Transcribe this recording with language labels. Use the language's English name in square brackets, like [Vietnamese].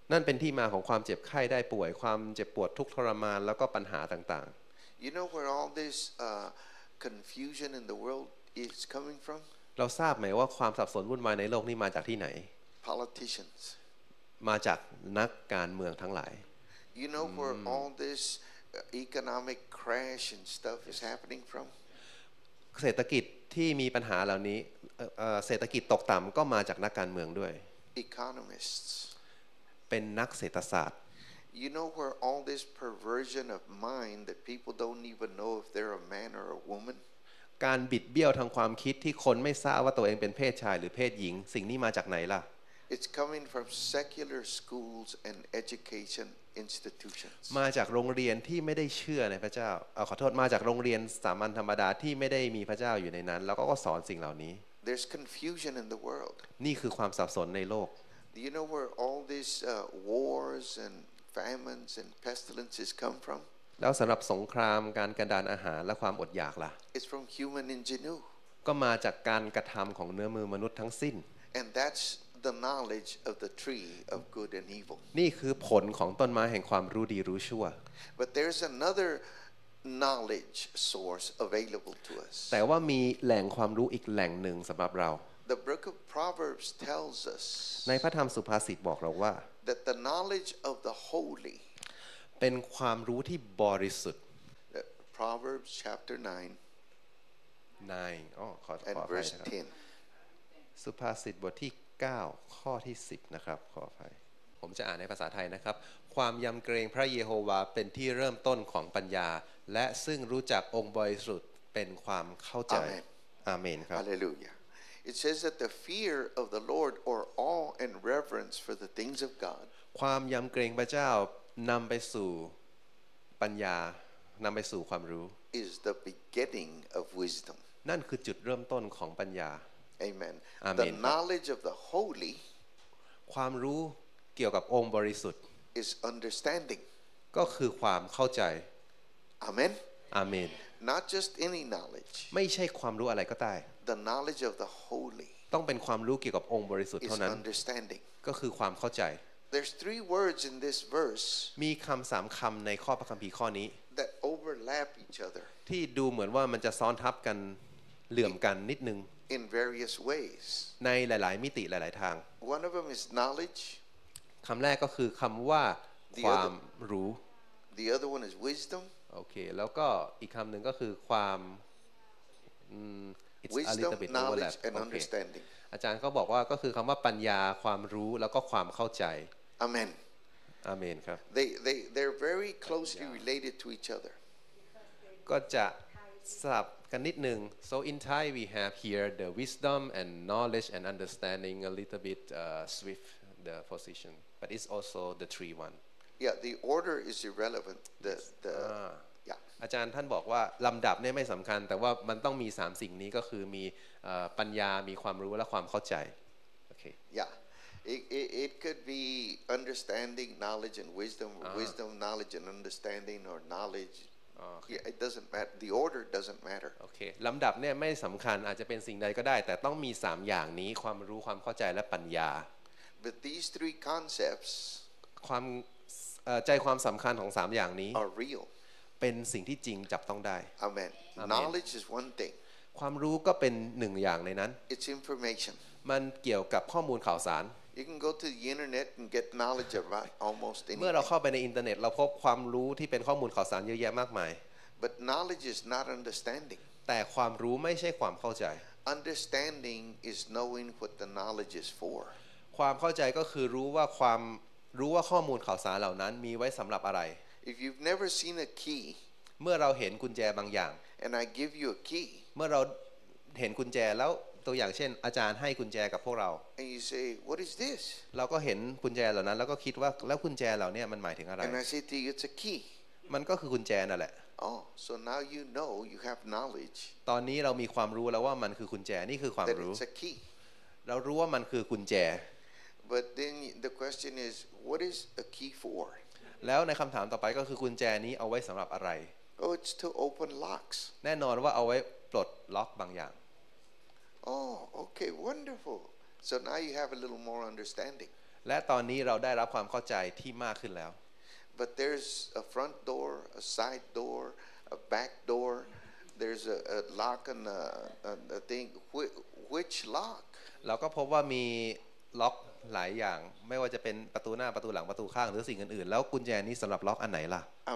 [Thai] นั่นเป็นที่มาของความเจ็บไข้ได้ป่วยความเจ็บปวดทุกทรมานแล้วก็ปัญหาต่าง [English] ๆ You know where all this confusion in the world is coming from? [Thai] เราทราบไหมว่าความสับสนวุ่นวายในโลกนี้มาจากที่ไหน [English] Politicians. [Thai] มาจากนักการเมืองทั้งหลาย [English] You know where all thiseconomic crash and stuff is happening from [Thai] เศรษฐกิจที่มีปัญหาเหล่านี้เศรษฐกิจตกต่ำก็มาจากนักการเมืองด้วย [English] economists [Thai] เป็นนักเศรษฐศาสตร์ [English] you know where all this perversion of mind that people don't even know if they're a man or a woman [Thai] การบิดเบี้ยวทางความคิดที่คนไม่ทราบว่าตัวเองเป็นเพศชายหรือเพศหญิงสิ่งนี้มาจากไหนล่ะ [English] it's coming from secular schools and educationinstitutions [Thai] มาจากโรงเรียนที่ไม่ได้เชื่อในพระเจ้าเอาขอโทษมาจากโรงเรียนสามัญธรรมดาที่ไม่ได้มีพระเจ้าอยู่ในนั้นแล้วก็สอนสิ่งเหล่านี้ [English] There's confusion in the world [Thai] นี่คือความสับสนในโลก [English] Do you know where all these wars and famines and pestilences come from [Thai] แล้วสำหรับสงครามการกันดารอาหารและความอดอยากล่ะ [English] It's from human ingenuity [Thai] ก็มาจากการกระทําของเนื้อมือมนุษย์ทั้งสิ้น [English] And that'sThe knowledge of the tree of good and evil. [Thai] นี่คือผลของต้นไม้แห่งความรู้ดีรู้ชั่ว [English] But there's another knowledge source available to us. [Thai] แต่ว่ามีแหล่งความรู้อีกแหล่งหนึ่งสำหรับเรา [English] The book of Proverbs tells us. [Thai] ในพระธรรมสุภาษิตบอกเราว่า [English] That the knowledge of the holy. [Thai] เป็นความรู้ที่บริสุทธิ์ [English] Proverbs chapter 9. [Thai] อ๋อขอ แปลให้ [English] verse 10. [Thai] สุภาษิตบทที่9ข้อที่10นะครับขออภัยผมจะอ่านในภาษาไทยนะครับความยำเกรงพระเยโฮวาห์เป็นที่เริ่มต้นของปัญญาและซึ่งรู้จักองค์บริสุทธิ์เป็นความเข้าใจอาเมนอาเมนครับ [English] ฮาเลลูยา It says that the fear of the Lord or awe and reverence for the things of God [Thai] ความยำเกรงพระเจ้านำไปสู่ปัญญานำไปสู่ความรู้ [English] is the beginning of wisdom. [Thai] นั่นคือจุดเริ่มต้นของปัญญา [English] Amen. The knowledge of the holy [Thai] ความรู้เกี่ยวกับองค์บริสุทธิ์ [English] is understanding. [Thai] ก็คือความเข้าใจ [English] Amen. Amen. Not just any knowledge. [Thai] ไม่ใช่ความรู้อะไรก็ได้ [English] The knowledge of the holy [Thai] ต้องเป็นความรู้เกี่ยวกับองค์บริสุทธิ์เท่านั้น [English] is understanding. [Thai] ก็คือความเข้าใจ [English] There's three words in this verse. [Thai] มีคำสามคำในข้อพระคัมภีร์ข้อนี้ [English] that overlap each other. [Thai] ที่ดูเหมือนว่ามันจะซ้อนทับกันเหลื่อมกันนิดนึง [English] in various ways. [Thai] ในหลายๆมิติหลายๆทาง [English] One of them is knowledge. [Thai] คำแรกก็คือคำว่าความรู้ [English] The other one is wisdom. [Thai] โอเคแล้วก็อีกคำหนึ่งก็คือความ [English] wisdom knowledge and understanding [Thai] อาจารย์เขาบอกว่าก็คือคำว่าปัญญาความรู้แล้วก็ความเข้าใจ [English] amen amen ครับ they're very closely related to each other [Thai] ก็จะสับกันนิดนึง [English] so in Thai we have here the wisdom and knowledge and understanding a little bit swift the position but it's also the three one yeah the order is irrelevant the Yeah. [Thai] อาจารย์ท่านบอกว่าลำดับเนี่ยไม่สำคัญแต่ว่ามันต้องมี3สิ่งนี้ก็คือมีปัญญามีความรู้และความเข้าใจโอเค [English] Yeah it could be understanding knowledge and wisdom uh-huh. wisdom knowledge and understanding or knowledge okay. yeah, it doesn't matter the order doesn't matter [Thai] โอเคลำดับเนี่ยไม่สำคัญอาจจะเป็นสิ่งใดก็ได้แต่ต้องมี3อย่างนี้ความรู้ความเข้าใจและปัญญา [English] But these three concepts [Thai] ความใจความสำคัญของ3อย่างนี้ [English] are real [Thai] เป็นสิ่งที่จริงจับต้องได้ [English] Amen. Knowledge is one thing. [Thai] ความรู้ก็เป็นหนึ่งอย่างในนั้น [English] It's information. [Thai] มันเกี่ยวกับข้อมูลข่าวสาร [English] You can go to the internet and get knowledge about almost anything. [Thai] เมื่อเราเข้าไปในอินเทอร์เน็ตเราพบความรู้ที่เป็นข้อมูลข่าวสารเยอะแยะมากมาย [English] But knowledge is not understanding. [Thai] แต่ความรู้ไม่ใช่ความเข้าใจ [English] Understanding is knowing what the knowledge is for. [Thai] ความเข้าใจก็คือรู้ว่าข้อมูลข่าวสารเหล่านั้นมีไว้สำหรับอะไร [English] If you've never seen a key, [Thai] เมื่อเราเห็นกุญแจบางอย่าง [English] and I give you a key, [Thai] เมื่อเราเห็นกุญแจแล้วตัวอย่างเช่นอาจารย์ให้กุญแจกับพวกเรา [English] and you say what is this? [Thai] เราก็เห็นกุญแจเหล่านั้นแล้วก็คิดว่าแล้วกุญแจเหล่านี้มันหมายถึงอะไร [English] and I say to you it's a key, [Thai] มันก็คือกุญแจนั่นแหละ [English] oh so now you know you have knowledge. [Thai] ตอนนี้เรามีความรู้แล้วว่ามันคือกุญแจนี่คือความรู้ [English] that it's a key. [Thai] เรารู้ว่ามันคือกุญแจ [English] but then the question is what is a key for? [Thai] แล้วในคำถามต่อไปก็คือกุญแจนี้เอาไว้สำหรับอะไร [English] Oh, it's to open locks. [Thai] แน่นอนว่าเอาไว้ปลดล็อกบางอย่าง [English] Oh, okay, wonderful. So now you have a little more understanding. [Thai] และตอนนี้เราได้รับความเข้าใจที่มากขึ้นแล้ว [English] But there's a front door, a side door, a back door. There's a lock and a thing. Which lock? [Thai] เราก็พบว่ามีล็อกหลายอย่างไม่ว่าจะเป็นประตูหน้าประตูหลังประตูข้างหรือสิ่งอื่นๆแล้วกุญแจนี้สำหรับล็อกอันไหนล่ะอ